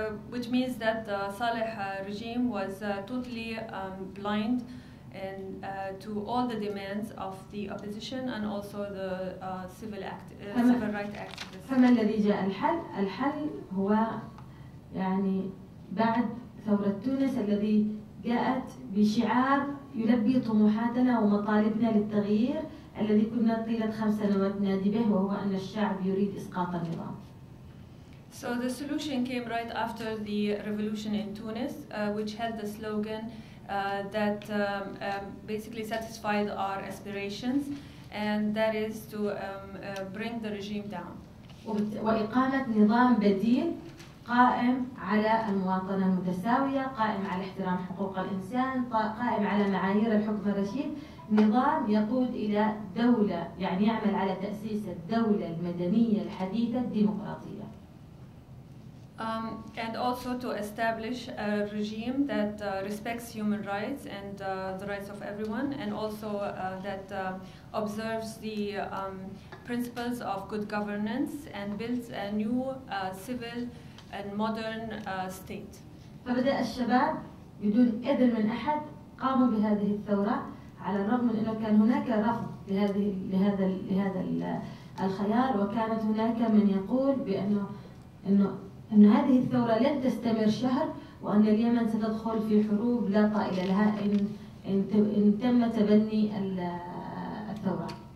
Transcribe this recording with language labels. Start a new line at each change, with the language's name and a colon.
English: Which means that the Saleh regime was totally blind and to all the demands of the opposition and also the civil rights activists.
Arabic: فما الذي جاء الحل؟ الحل هو يعني بعد ثورة تونس الذي جاءت بشعار يلبي طموحاتنا ومطالبنا للتغيير الذي كنا طيلة خمس سنوات نادي به وهو أن الشعب يريد إسقاط النظام.
English: So the solution came right after the revolution in Tunis, which had the slogan that basically satisfied our aspirations, and that is to bring the regime down.
Arabic: وإقامة نظام بديل قائم على المواطنة المتساوية, قائم على احترام حقوق الإنسان, قائم على معايير الحكم الرشيد, نظام يقود إلى دولة, يعني يعمل على تأسيس الدولة المدنية الحديثة الديمقراطية.
English: And also to establish a regime that respects human rights and the rights of everyone, and also that observes the principles of good governance and builds a new civil and modern state.
Arabic: فبدأ الشباب بدون إذن من أحد قاموا بهذه الثورة على الرغم من أنه كان هناك رفض لهذا الخيار, وكانت هناك من يقول بأنه هذه الثورة لن تستمر شهر وأن اليمن ستدخل في حروب لا طائل لها إن تم تبني الثورة.